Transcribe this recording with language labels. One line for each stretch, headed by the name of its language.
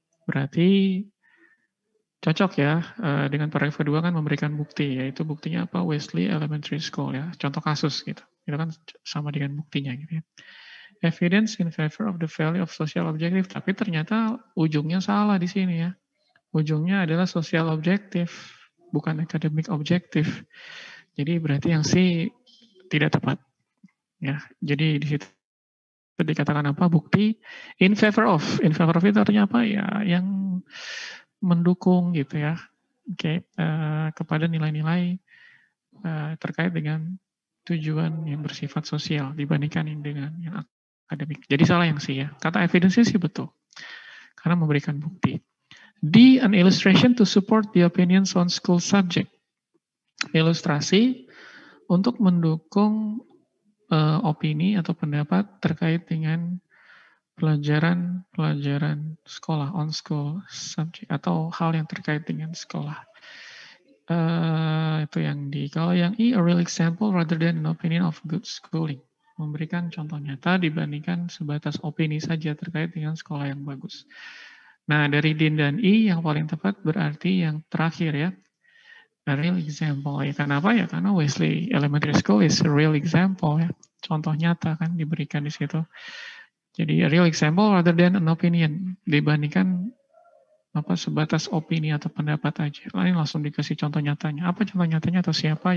Indonesian: Berarti cocok ya, dengan paragraf kedua kan memberikan bukti, yaitu buktinya apa? Wesley Elementary School ya, contoh kasus gitu. Itu kan sama dengan buktinya gitu ya.
English: Evidence in favor of the value of social objective.
Indonesian: Tapi ternyata ujungnya salah di sini ya. Ujungnya adalah social objective, bukan academic objective. Jadi berarti yang C tidak tepat. Ya, jadi di situ dikatakan apa? Bukti
English: in favor of. In favor of
Indonesian: itu artinya apa? Ya, yang mendukung gitu ya. Okay. Kepada nilai-nilai terkait dengan tujuan yang bersifat sosial dibandingkan dengan yang akademik. Jadi salah yang C ya. Kata evidence-nya sih betul. Karena memberikan bukti.
English: D, an illustration to support the opinions on school subject.
Indonesian: Ilustrasi untuk mendukung opini atau pendapat terkait dengan pelajaran-pelajaran sekolah,
English: on school subject,
Indonesian: atau hal yang terkait dengan sekolah. Itu yang D. Kalau yang E,
English: a real example rather than an opinion of good schooling.
Indonesian: Memberikan contoh nyata dibandingkan sebatas opini saja terkait dengan sekolah yang bagus. Nah, dari D dan E yang paling tepat berarti yang terakhir ya.
English: a real example.
Indonesian: Ya, kenapa ya? Karena
English: Wesley Elementary School is a real example. Ya.
Indonesian: Contoh nyata kan diberikan di situ.
English: Jadi a real example rather than an opinion.
Indonesian: Dibandingkan apa sebatas opini atau pendapat aja. Lain langsung dikasih contoh nyatanya. Apa contoh nyatanya atau siapa?